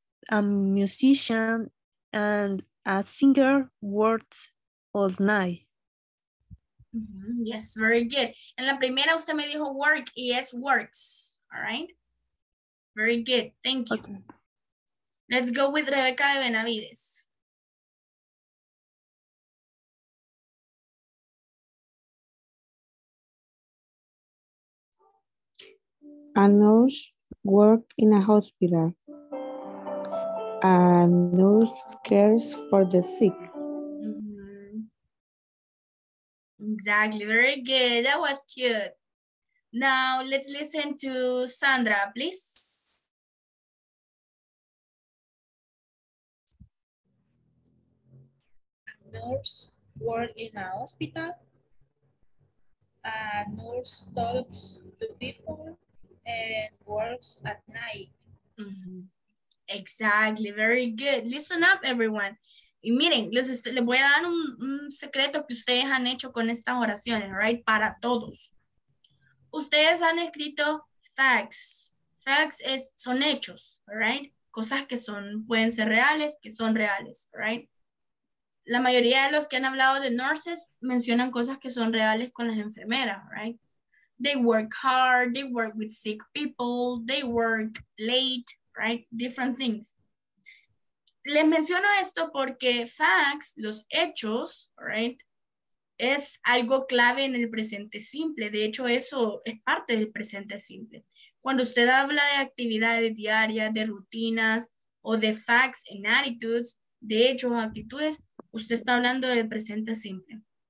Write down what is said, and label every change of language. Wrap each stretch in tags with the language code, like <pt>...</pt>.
<en>A musician and a singer works all night. Mm-hmm. Yes, very good.</en> <es>En la primera usted me dijo work y es works.</es> <en>All right. Very good. Thank you. Okay. Let's go with Rebecca de Benavides. A nurse work in a hospital. A nurse cares for the sick. Exactly, very good. That was cute. Now let's listen to Sandra, please. A nurse works in a hospital. A nurse talks to people and works at night. Mm-hmm. Exactly, very good. Listen up, everyone.</en> <es>Y miren, les voy a dar un secreto que ustedes han hecho con estas oraciones,</es> <en>right?</en> <es>Para todos. Ustedes han escrito facts. Facts son hechos, right? Cosas que pueden ser reales, que son reales, right? La mayoría de los que han hablado de nurses mencionan cosas que son reales con las enfermeras, right?</es> <en>They work hard, they work with sick people, they work late, right? Different things.</en> <es>Les menciono esto porque facts, los hechos,</es> <en>right,</en> <es>es algo clave en el presente simple. De hecho, eso es parte del presente simple. Cuando usted habla de actividades diarias, de rutinas o de</es> <en>facts and attitudes,</en> <es>de hechos o actitudes, usted está hablando del presente simple.</es>